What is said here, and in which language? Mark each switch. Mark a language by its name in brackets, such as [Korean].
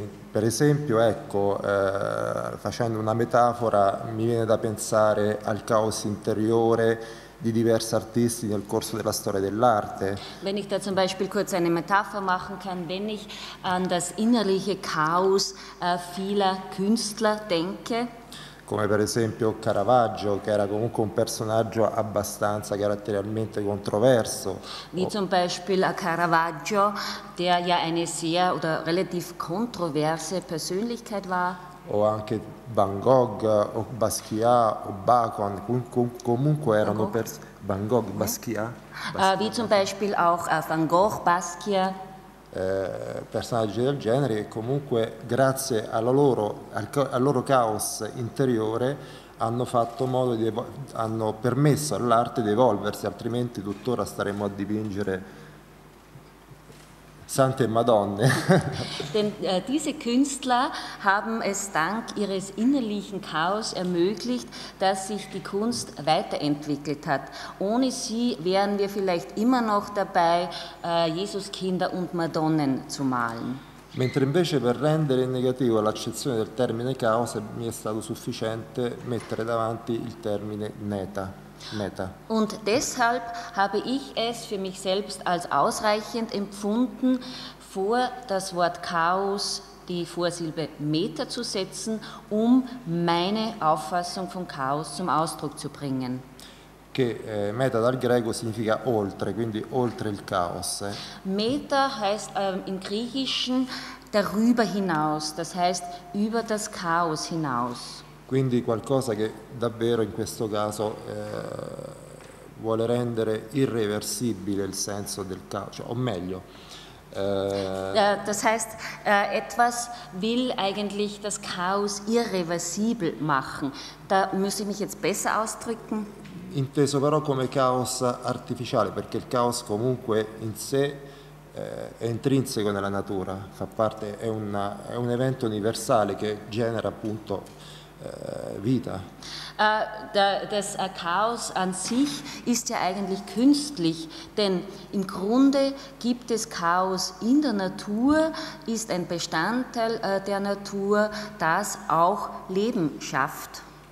[Italian] Per esempio, ecco, facendo una metafora, mi viene da pensare al caos interiore di diversi artisti nel corso della storia dell'arte. [German] Wenn ich da zum Beispiel kurz eine Metapher machen kann, wenn ich an das innerliche Chaos vieler Künstler denke. [Italian] Come per esempio Caravaggio, che era comunque un personaggio abbastanza caratterialmente controverso. [German] Wie zum Beispiel Caravaggio, der ja eine sehr oder relativ kontroverse Persönlichkeit war. [Italian] O anche Van Gogh, o Basquiat, o Bacon, comunque erano Van Gogh, Basquiat. [German] Wie zum Beispiel auch Van Gogh, Basquiat. [Italian] Personaggi del genere che comunque grazie al loro caos interiore hanno permesso all'arte di evolversi, altrimenti tuttora staremmo a dipingere Sante Madonne. [German] Denn diese Künstler haben es dank ihres innerlichen Chaos ermöglicht, dass sich die Kunst weiterentwickelt hat. Ohne sie wären wir vielleicht immer noch dabei, Jesuskinder und Madonnen zu malen. [Italian] Mentre invece per rendere negativo l'accezione del termine Chaos mi è stato sufficiente mettere davanti il termine Neta. Meta. [German] Und deshalb habe ich es für mich selbst als ausreichend empfunden, vor das Wort Chaos die Vorsilbe Meta zu setzen, um meine Auffassung von Chaos zum Ausdruck zu bringen. [Italian] Che Meta dal greco significa oltre, quindi oltre il Chaos. [German] Meta heißt im Griechischen darüber hinaus, das heißt über das Chaos hinaus. [Italian] Quindi qualcosa che davvero in questo caso vuole rendere irreversibile il senso del caos, cioè, o meglio. [German] Das heißt, etwas will eigentlich das Chaos irreversibel machen. Da muss ich mich jetzt besser ausdrücken. [Italian] Inteso però come caos artificiale, perché il caos comunque in sé è intrinseco nella natura, fa parte, è un evento universale che genera appunto vita. [German] Das Chaos an sich ist ja eigentlich künstlich, denn im Grunde gibt es Chaos in der Natur, ist ein Bestandteil der Natur, das auch Leben schafft.